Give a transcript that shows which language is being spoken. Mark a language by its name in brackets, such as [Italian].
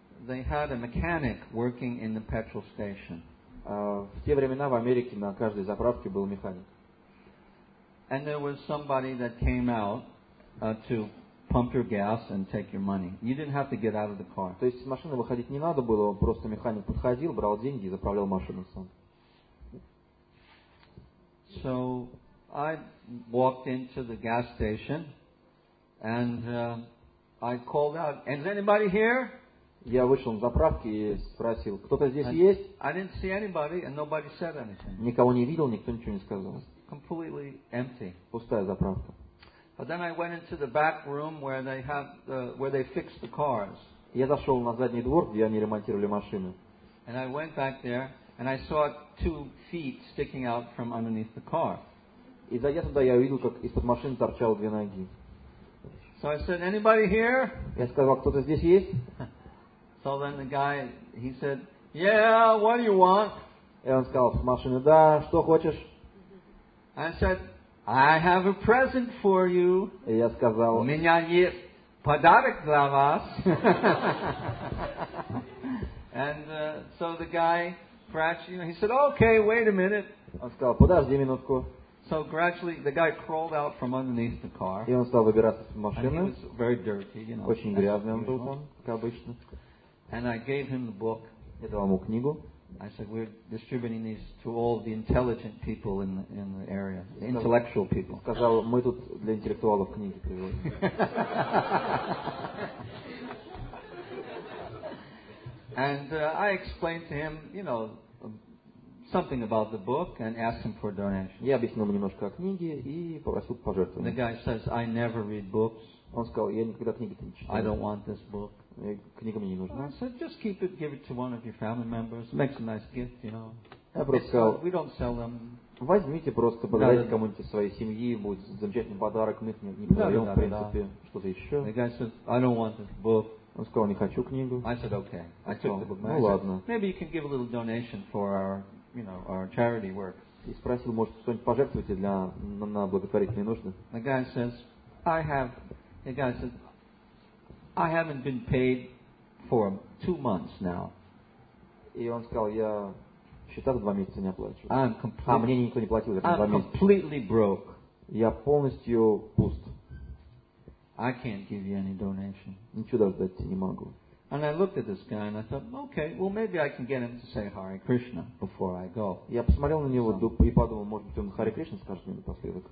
[English] They had a mechanic working in the petrol station. [Russian] В те времена в Америке на каждой заправке был механик. [English] And there was somebody that came out to pump your gas and take your money. You didn't have to get out of the car. [Russian] То есть с машины выходить не надо было, просто механик подходил, брал деньги и заправлял машину сам. [English] So I walked into the gas station and I called out, "Is anybody here?" [Russian] Я вышел на заправке и спросил, кто-то здесь есть? [English] I didn't see anybody, and nobody said anything. [Russian] Никого не видел, никто ничего не сказал. [English] Completely empty. [Russian] Пустая заправка. [English] But then I went into the back room where they have where they fix the cars. [Russian] Я зашел на задний двор, где они ремонтировали машины. [English] And I went back there, and I saw two feet sticking out from underneath the car. [Russian] И зайдя туда, я увидел, как из-под машины торчало две ноги. [English] So I said, "Anybody here?" [Russian] Я сказал, кто-то здесь есть? [English] So then the guy, he said, "Yeah, what do you want?" [Russian] И он сказал, машина, да, что хочешь? [English] I said, "I have a present for you." [Russian] И я сказал, у меня есть подарок для вас. [English] And so the guy, gradually, he said, "Okay, wait a minute." [Russian] Он сказал, подожди минутку. [English] So gradually, the guy crawled out from underneath the car. [Russian] И он стал выбираться из машины. [English] And he was very dirty, you know. [Russian] Очень грязный он был, как обычно. [English] And I gave him the book. [Russian] Я дал ему книгу. [English] I said, "We're distributing these to all the intelligent people in the area, the intellectual people." [Russian] Сказал, мы тут для интеллектуалов книги привозим. [English] And I explained to him, you know, something about the book and asked him for a donation. [Russian] Я объяснил ему немножко о книге и попросил пожертвовать. [English] The guy says, "I never read books." [Russian] Он сказал, я никогда книги не читаю. [English] I don't want this book. [Russian] Книга мне не нужна. [English] I said, "Just keep it, give it to one of your family members. Makes a nice gift, you know." [Russian] Я просто сказал, [English] we don't sell them. [Russian] Возьмите просто, подарите кому-нибудь из своей семьи, будет замечательный подарок, мы их не продаем, в принципе, что-то еще. [English] The guy said, "I don't want this book." [Russian] Он сказал, не хочу книгу. [English] I said, "Okay." I took the book. [Russian] Ну ладно. [English] Maybe you can give a little donation for our, you know, our charity work. [Russian] И спросил, может, что-нибудь пожертвуете для на благотворительные нужды? [English] The guy says, "I have." The guy said, "I haven't been paid for 2 months now." [Russian] И он сказал, я счета за 2 месяца не оплачиваю. [English] I'm completely, [Russian] а мне никто не платил за 2 месяца. [English] I'm completely broke. [Russian] Я полностью пуст. [English] I can't give you any donation. [Russian] Ничего даже дать не могу. [English] And I looked at this guy and I thought, okay, well maybe I can get him to say Hare Krishna before I go. [Russian] Я посмотрел на него и подумал, может быть, он Харе Кришна скажет мне напоследок.